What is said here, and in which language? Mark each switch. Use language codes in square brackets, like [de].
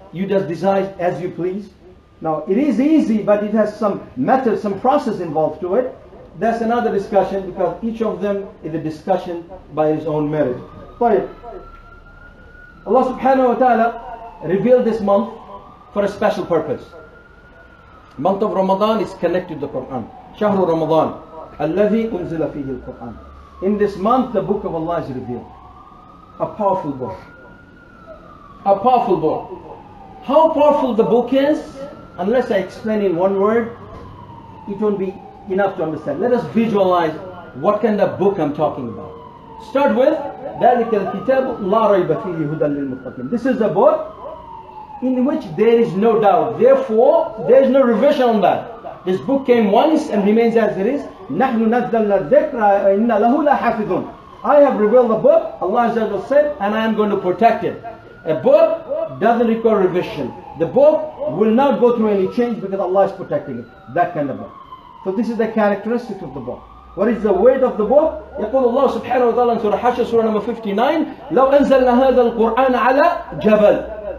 [en] You just decide as you please? Now, it is easy, but it has some method, some process involved to it. That's another discussion, because each of them is a discussion by his own merit. But Allah subhanahu wa ta'ala revealed this month for a special purpose. Month of Ramadan is connected to the Quran. [ar] شهر رمضان الذي أنزل فيه القرآن. [en] In this month, the book of Allah is revealed. A powerful book. A powerful book. How powerful the book is, unless I explain in one word, it won't be enough to understand. Let us visualize what kind of book I'm talking about. Start with [ar] ذلك الكتاب لا ريب فيه هدى للمتقين. [en] This is a book in which there is no doubt. Therefore, there is no revision on that. This book came once and remains as it is. [ar] نحن نزلنا الذكر إن له لحافظون. [en] I have revealed the book, Allah said, and I am going to protect it. A book doesn't require revision. The book will not go through any change because Allah is protecting it. That kind of book. So this is the characteristic of the book. What is the weight of the book? [ar] يقول الله سبحانه وتعالى [en] in Surah Hashr, Surah number 59, [ar] لو أنزلنا هذا القرآن على جبل.